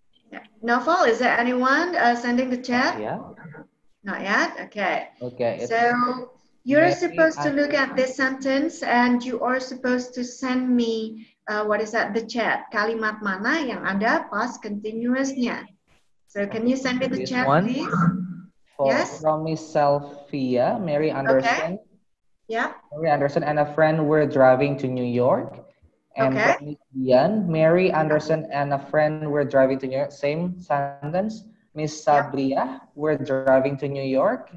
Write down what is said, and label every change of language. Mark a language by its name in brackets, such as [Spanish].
[English] Yeah. Nafal, is there anyone sending the chat? Not yet. Not yet? Okay. Okay. So you're supposed to look at this sentence and you are supposed to send me what is that, the chat. [Indonesian] Kalimat mana yang ada past continuous-nya. [English] So can you send me the chat, one, please? Yes? From Miss Selfia, Mary Anderson. Okay. Yeah. Mary Anderson and a friend were driving to New York. And okay. Ian, Mary Anderson and a friend were driving to New York. Same sentence. Miss Sabria, yeah, were driving to New York.